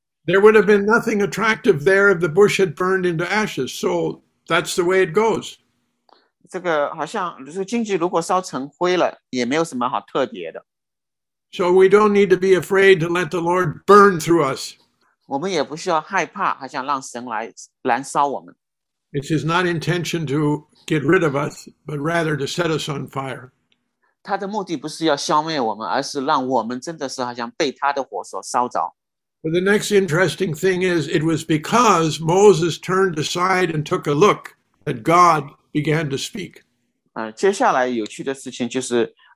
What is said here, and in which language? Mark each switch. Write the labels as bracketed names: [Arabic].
[English] There would have been nothing attractive there if the bush had burned into ashes, so that's the way it goes. [Chinese] 这个好像，荆棘如果烧成灰了，也没有什么好特别的。 [English] So we don't need to be afraid to let the Lord burn through us. [Chinese] 我们也不需要害怕，好像让神来燃烧我们。 [English] It's his not intention to get rid of us, but rather to set us on fire. [Chinese] 他的目的不是要消灭我们，而是让我们真的是好像被他的火所烧着。 [English] But the next interesting thing is, it was because Moses turned aside and took a look that God began to speak. [Chinese] 接下来有趣的事情就是。